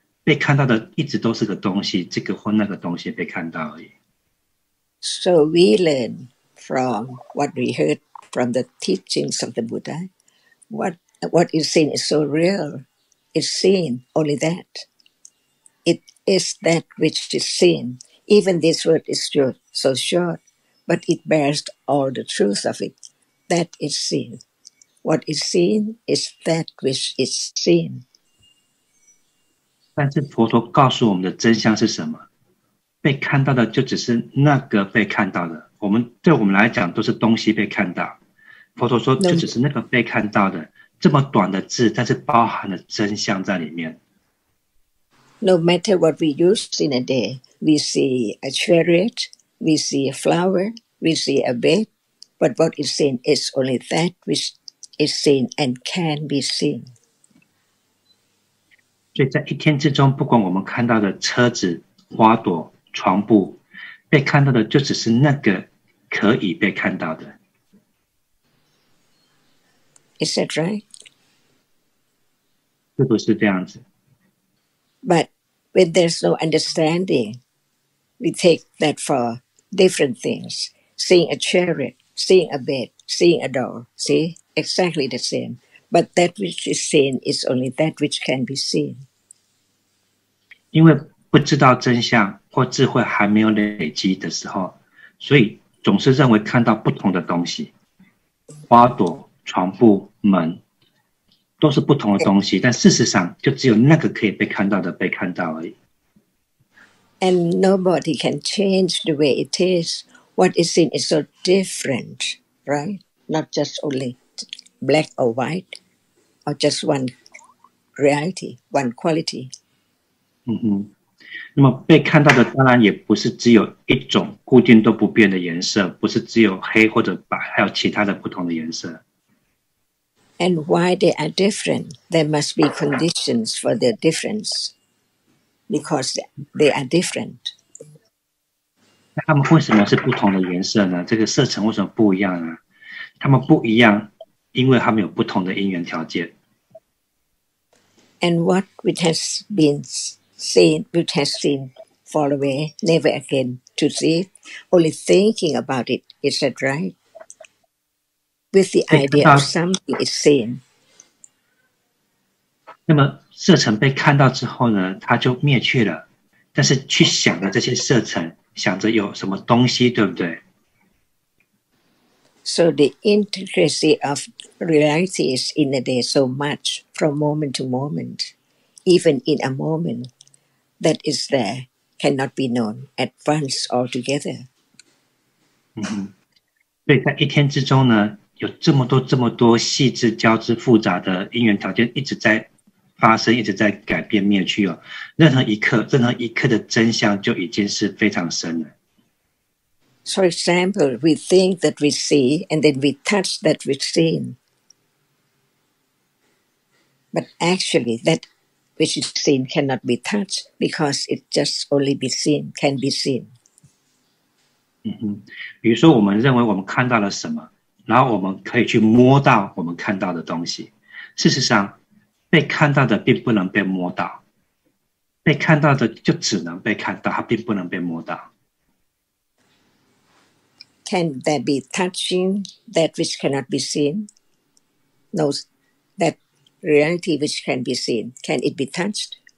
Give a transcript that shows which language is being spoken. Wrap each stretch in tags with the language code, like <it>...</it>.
<zh>被看到的一直都是个东西，这个或那个东西被看到而已。</zh> <en>So we learn from what we heard from the teachings of the Buddha. What is seen is so real. It's seen only that. It is that which is seen. Even this word is so short, but it bears all the truth of it. That is seen. What is seen is that which is seen.</en> <zh>但是佛陀告诉我们的真相是什么？被看到的就只是那个被看到的。我们对我们来讲都是东西被看到。佛陀说，就只是那个被看到的。这么短的字，但是包含了真相在里面。</zh> <en>No matter what we use in a day, we see a chariot, we see a flower, we see a bed, but what is seen is only that which is seen and can be seen.</en> <zh>所以在一天之中，不管我们看到的车子、花朵、床布，被看到的就只是那个可以被看到的。</zh> <en>Is that right?</en> <zh>是不是这样子？</zh> <en>But when there's no understanding, we take that for different things. Seeing a chariot, seeing a bed, seeing a door, see? Exactly the same. But that which is seen is only that which can be seen.</en> <zh>因为不知道真相或智慧还没有累积的时候，所以总是认为看到不同的东西，花朵、床布、门都是不同的东西，但事实上就只有那个可以被看到的被看到而已。</zh> <en>And nobody can change the way it is. What is seen is so different, right? Not just only black or white, or just one reality, one quality.</en> <zh>嗯哼，那么被看到的当然也不是只有一种固定都不变的颜色，不是只有黑或者白，还有其他的不同的颜色。</zh> <en>And why they are different? There must be conditions for their difference, because they are different.</en> <zh>那他们为什么是不同的颜色呢？这个色层为什么不一样呢？他们不一样，因为他们有不同的因缘条件。</zh> <en>And what which has been seen, which has seen, fall away, never again to see. Only thinking about it, is that right? With the idea of something is seen.</en> <zh>那么色尘被看到之后呢，它就灭去了。但是去想的这些色尘，想着有什么东西，对不对？</zh> <en>So the intricacy of reality is in the day so much from moment to moment, even in a moment that is there cannot be known at once altogether.</en> <zh>嗯，所以在一天之中呢。有这么多这么多细致交织复杂的因缘条件一直在发生一直在改变灭去、哦、任何一刻的真相就已经是非常深了。</zh> <en>For example, we think that we see and then we touch that we've seen. But actually, that which is seen cannot be touched because it just only be seen, can be seen.</en> <zh>嗯，比如说我们认为我们看到了什么然后我们可以去摸到我们看到的东西。事实上，被看到的并不能被摸到，被看到的就只能被看到，它并不能被摸到。</zh> <en>Can there be touching that which cannot be seen? No, that reality which can be seen, can it be touched?</en>